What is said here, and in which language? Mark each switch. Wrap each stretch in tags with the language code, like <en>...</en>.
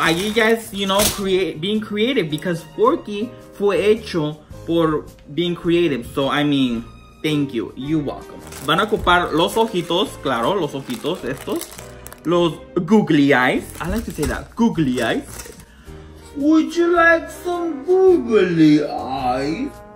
<es>Allí ya es,</es> <en>you know, being creative, because Forky</en> <es>fue hecho por</es> <en>being creative. So, I mean, thank you, you're welcome.</en> <es>Van a ocupar los ojitos, claro, los ojitos estos, los googly eyes.</es> <en>I like to say that, googly eyes. Would you like some googly eyes?</en>